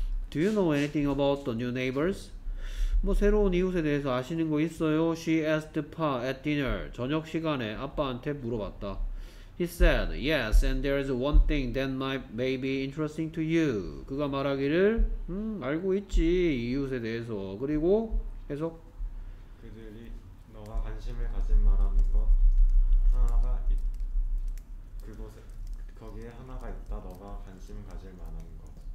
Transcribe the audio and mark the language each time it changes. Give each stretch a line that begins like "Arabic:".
English: Do you know anything about the new neighbors?
Korean: 뭐 새로운 이웃에 대해서 아시는 거 있어요?
English: She asked Pa at dinner.
Korean: 저녁 시간에 아빠한테 물어봤다.
English: He said, yes, and there is one thing that might may be interesting to you.
Korean: 그가 말하기를, 알고 있지, 이웃에 대해서. 그리고, 계속. 그들이 너가 관심을 가진 말하는 것 하나가 그곳에, 거기에 하나가 있다, 너가 관심 가질 만한 것.